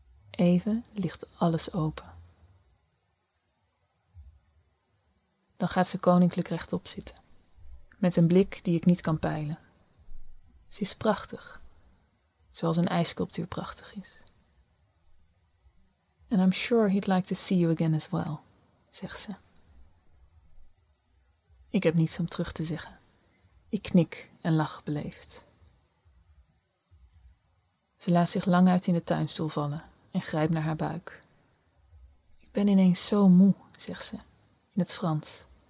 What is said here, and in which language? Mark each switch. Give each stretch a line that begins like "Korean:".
Dutch: Even ligt alles open. Dan gaat ze koninklijk rechtop zitten, met een blik die ik niet kan peilen. Ze is prachtig, zoals een ijssculptuur prachtig is.
English: And I'm sure he'd like to see you again as well,
Dutch: zegt ze. Ik heb niets om terug te zeggen. Ik knik en lach beleefd. Ze laat zich lang uit in de tuinstoel vallen en grijpt naar haar buik. Ik ben ineens zo moe, zegt ze, in het Frans.